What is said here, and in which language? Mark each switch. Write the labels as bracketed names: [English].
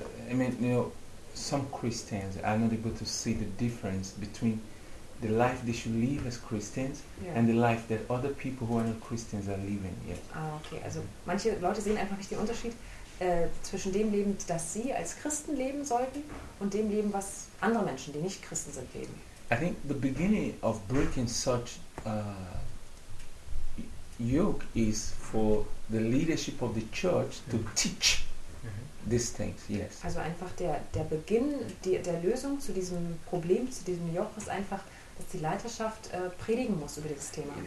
[English] I mean, you know, some Christians are not able to see the difference between the life they should live as Christians and the life that other people who are not Christians are living. Yeah. Ah, okay. [German] Also manche Leute sehen einfach nicht den Unterschied zwischen dem Leben, das sie als Christen leben sollten, und dem Leben, was andere Menschen, die nicht Christen sind, leben. [English] I think the beginning of breaking such yoke is for the leadership of the church to teach these things. Yes. [German] Also einfach der Beginn der Lösung zu diesem Problem, zu diesem Joch, ist einfach, dass die Leiterschaft predigen muss über dieses Thema.